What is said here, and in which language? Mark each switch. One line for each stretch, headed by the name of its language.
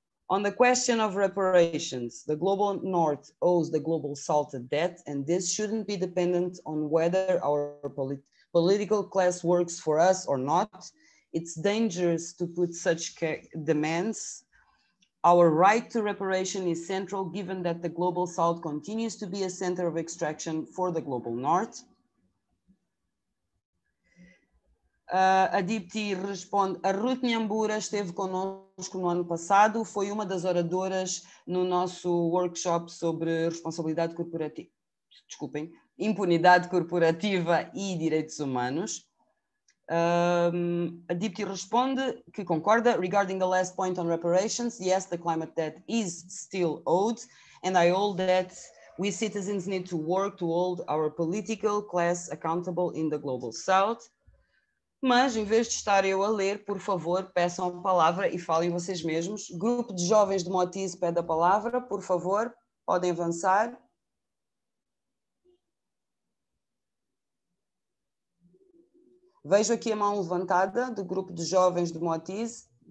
English: On the question of reparations, the global north owes the global south a debt, and this shouldn't be dependent on whether our political class works for us or not. It's dangerous to put such demands. Our right to reparation is central, given that the global south continues to be a center of extraction for the global north.
Portuguese: A Dipti responde, a Ruth Nyambura esteve conosco no ano passado, foi uma das oradoras no nosso workshop sobre responsabilidade corporativa, desculpem, impunidade corporativa e direitos humanos. A Dipti responde, que concorda,
English: regarding the last point on reparations, yes, the climate debt is still owed, and I owe that we citizens need to work to hold our political class accountable in the global south.
Portuguese: Mas, em vez de estar eu a ler, por favor, peçam a palavra e falem vocês mesmos. Grupo de jovens de Motis pede a palavra, por favor, podem avançar. Vejo aqui a mão levantada do grupo de jovens de Motis.